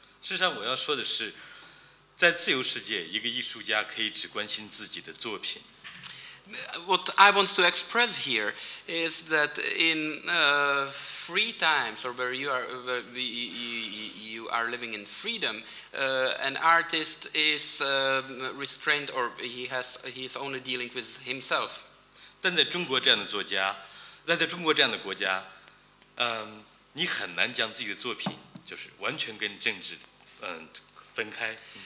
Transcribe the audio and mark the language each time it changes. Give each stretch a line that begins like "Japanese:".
Chinese: 事实上我要说的是, 在自由世界, 一个艺术家可以只关心自己的作品。
English: what I want to express here is that in free times, or where you are living in freedom, an artist is restrained, or he is only dealing with himself.
Chinese: 但在中国这样的国家, 你很难将自己的作品就是完全跟政治, 分开。